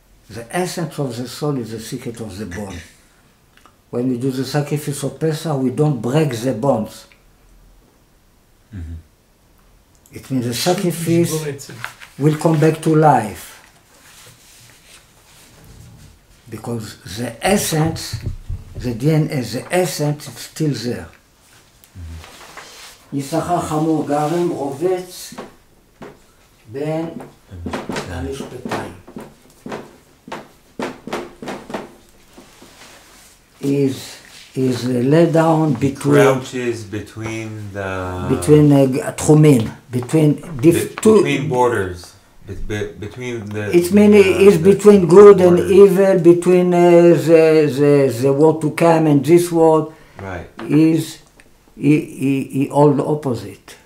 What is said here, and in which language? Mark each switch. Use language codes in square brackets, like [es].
[en] The essence of the soul is the secret of the bone. When we do the sacrifice of Pesach, we don't break the bones. It means the sacrifice will come back to life. Because the essence, the DNA, the essence is still there. [he] יששכר חמור גרם רובץ בין המשפטיים. [en] Is laid down between crouches between the between [he] תחומים [en] between between borders between the it's mainly is between good and evil between the world to come and this world right is he all the opposite,